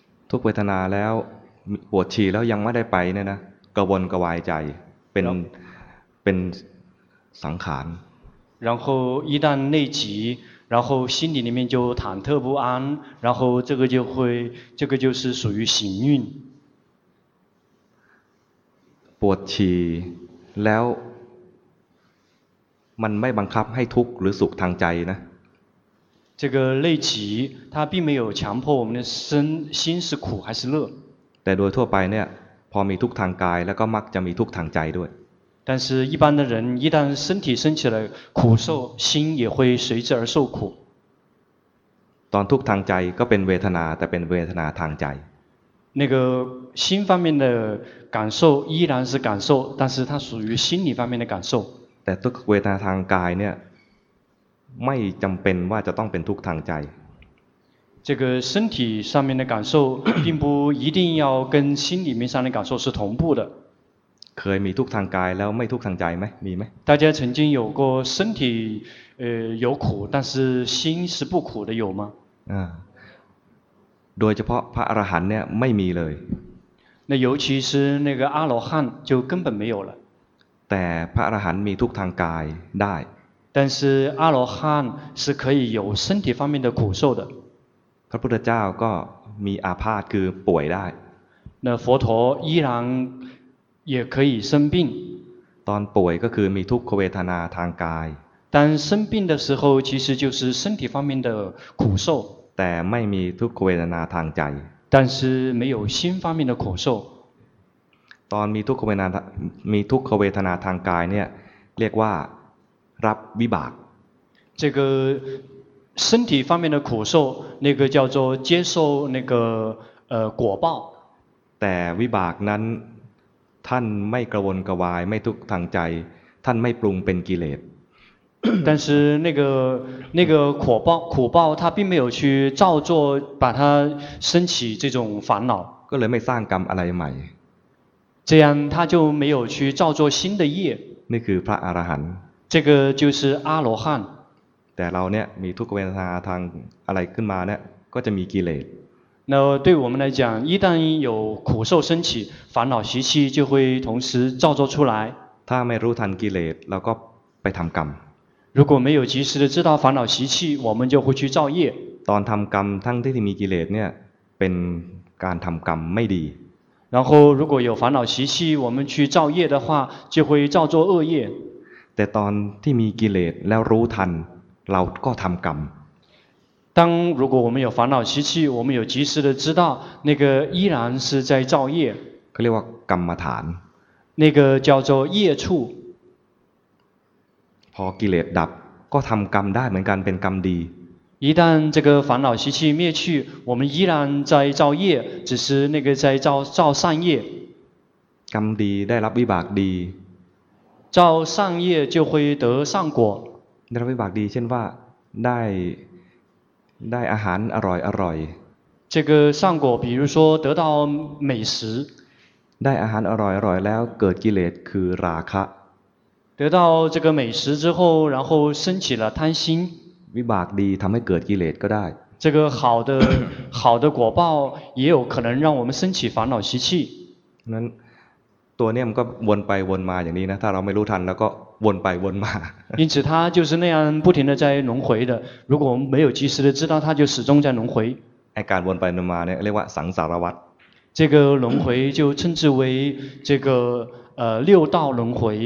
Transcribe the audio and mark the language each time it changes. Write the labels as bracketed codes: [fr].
[th] ทุกเวทนาแล้วปวดฉี่แล้วยังไม่ได้ไปเนี่ยนะกระวนกระวายใจเป็นสังขาร [zh] 然后一旦内急然后心里面就忐忑不安然后这个就是属于行运 [th] ปวดฉี่แล้วมันไม่บังคับให้ทุกข์หรือสุขทางใจนะ [zh] 这个内急它并没有强迫我们的身心是苦还是乐 [th] แต่โดยทั่วไปเนี่ยพอมีทุกข์ทางกายแล้วก็มักจะมีทุกข์ทางใจด้วย [zh] 但是一般的人一旦身体升起了苦受心也会随之而受苦 [th] ตอนทุกข์ทางใจก็เป็นเวทนาแต่เป็นเวทนาทางใจ [zh] 那个心方面的感受依然是感受但是它属于心理方面的感受 [th] แต่ทุกข์เวทนาทางกายเนี่ยไม่จำเป็นว่าจะต้องเป็นทุกข์ทางใจ [zh] 这个身体上面的感受并不一定要跟心里面上的感受是同步的 [th] เคยมีทุกข์ทางกายแล้วไม่ทุกข์ทางใจไหมมีไหม [zh] 大家曾经有过身体有苦但是心是不苦的有吗 [th] โดยเฉพาะพระอรหันต์เนี่ยไม่มีเลย [zh] 那尤其是那个阿罗汉就根本没有了 [th] แต่พระอรหันต์มีทุกข์ทางกายได้ [zh] 但是阿罗汉是可以有身体方面的苦受的 [th] พระพุทธเจ้าก็มีอาพาธคือป่วยได้ [zh] 那佛陀依然也可以生病 [th] ตอนป่วยก็คือมีทุกขเวทนาทางกาย [zh] 但生病的时候其实就是身体方面的苦受 [th] แต่ไม่มีทุกขเวทนาทางใจ [zh] 但是没有心方面的苦受 [th] ตอนมีทุกขเวทนามีทุกขเวทนาทางกายเนี่ยเรียกว่ารับวิบาก [zh] 这个身体方面的苦受那个叫做接受那个果报 [th] แต่วิบากนั้นท่านไม่กระวนกระวายไม่ทุกข์ทางใจท่านไม่ปรุงเป็นกิเลส [zh] 但是那个苦报他并没有去造作把他升起这种烦恼 [th] ก็เลยไม่สร้างกรรมอะไรใหม่ [zh] 这样他就没有去造作新的业 [th] นี่คือพระอรหันต์ [zh] 这个就是阿罗汉 [th] แต่เราเนี่ยมีทุกขเวทนาทางอะไรขึ้นมาเนี่ยก็จะมีกิเลส [zh] No, 对我们来讲一旦有苦受升起烦恼习气就会同时造作出来 [th] ถ้าไม่รู้ทันกิเลสเราก็ไปทำกรรม [zh] 如果没有及时的知道烦恼习气我们就会去造业 [th] ตอนทำกรรมทั้งที่มีกิเลสเนี่ยเป็นการทำกรรมไม่ดี [zh] 然后如果有烦恼习气我们去造业的话就会造作恶业 [th] แต่ตอนที่มีกิเลสแล้วรู้ทันเราก็ทำกรรม [zh] 当如果我们有烦恼习气我们有及时的知道那个依然是在造业 [th] เรียกว่ากรรมฐาน [zh] 那个叫做业处 [th] พอกิเลสดับก็ทำกรรมได้เหมือนกันเป็นกรรมดี [zh] 一旦这个烦恼习气灭去我们依然在造业只是那个在造善业 [th] กรรมดีได้รับวิบากดี [zh] 造善业就会得善果 [th] ได้รับวิบากดีเช่นว่าได้อาหารอร่อยอร่อย [zh] 这个善果比如说得到美食 [th] ได้อาหารอร่อยอร่อยแล้วเกิดกิเลสคือราคะ [zh] 得到这个美食之后然后升起了贪心 [th] วิบากดีทำให้เกิดกิเลสก็ได้ [zh] 这个好的果报也有可能让我们升起烦恼习气 [th] นั้น ตัวเนี่ยมันก็วนไปวนมาอย่างนี้นะถ้าเราไม่รู้ทันแล้วก็วนไปวนมา [zh] 因此它就是那样不停的在轮回的如果我们没有及时的知道它就始终在轮回 [th] ไอ้การวนไปวนมาเนี่ยเรียกว่าสังสารวัฏ [zh] 这个轮回就称之为这个六道轮回